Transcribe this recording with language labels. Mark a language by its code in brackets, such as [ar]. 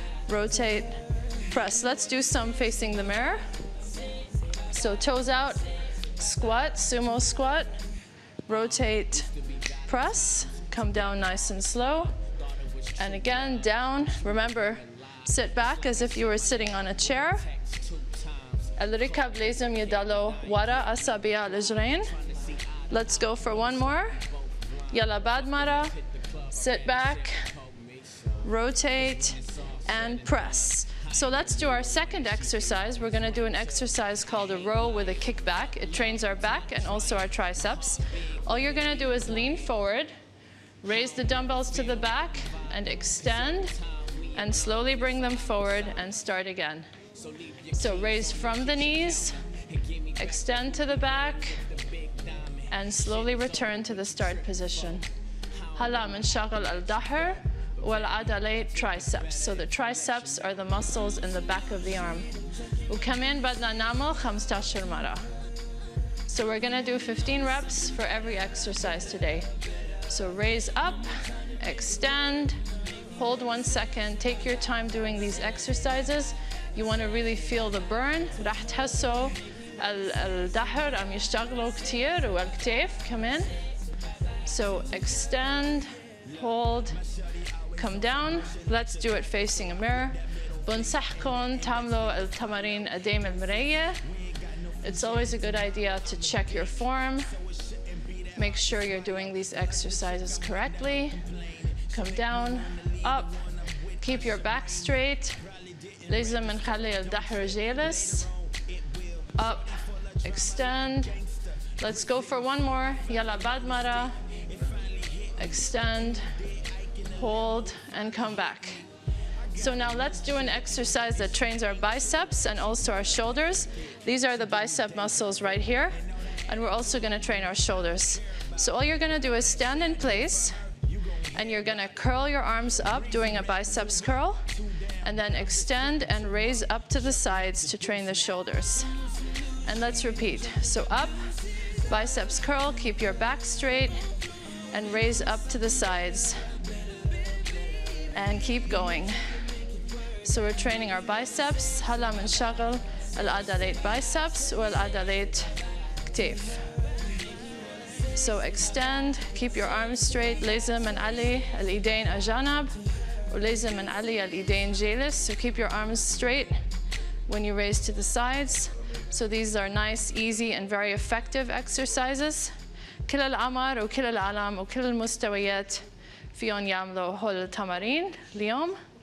[en] Rotate, press. Let's do some facing the mirror. So toes out, squat, sumo squat. Rotate, press. Come down nice and slow. And again, down. Remember, sit back as if you were sitting on a chair. [ar] الركب لازم يضلوا ورا أصابع الرجلين. [en] Let's go for one more. [ar] يلا بعد مرة. [en] Sit back. Rotate and press. So let's do our second exercise. We're going to do an exercise called a row with a kickback. It trains our back and also our triceps. All you're going to do is lean forward, raise the dumbbells to the back and extend. And slowly bring them forward and start again. So raise from the knees, extend to the back, and slowly return to the start position. [ar] هلا منشغل الظهر والعضلات triceps. [en] So the triceps are the muscles in the back of the arm. [ar] وكمان بدنا نعمل 15 مرة. [en] So we're gonna do 15 reps for every exercise today. So raise up, extend, hold 1 second. Take your time doing these exercises. You want to really feel the burn. [ar] راح تحسوا الظهر عم يشتغلوا كتير والكتف كمان. [en] So extend, hold, come down. Let's do it facing a mirror. [ar] بنصحكم تعملوا التمارين قدام المراية. [en] It's always a good idea to check your form. Make sure you're doing these exercises correctly. Come down. Up, keep your back straight. [ar] لازم نخلي الظهر جالس. [en] Up, extend. Let's go for one more. [ar] يلا بعد مرة. [en] Extend, hold, and come back. So now let's do an exercise that trains our biceps and also our shoulders. These are the bicep muscles right here. And we're also gonna train our shoulders. So all you're gonna do is stand in place. And you're gonna curl your arms up, doing a biceps curl, and then extend and raise up to the sides to train the shoulders. And let's repeat. So up, biceps curl, keep your back straight, and raise up to the sides. And keep going. So we're training our biceps. [ar] هلا منشغل العضلات biceps والعضلات كتف. [en] So extend, keep your arms straight. [ar] لازم نعلي الإيدين أجانب ولازم نعلي الإيدين جالس. [en] So keep your arms straight when you raise to the sides. So these are nice, easy, and very effective exercises. [ar] كل العمر وكل العالم وكل المستويات فيهم يعملوا هول التمارين اليوم.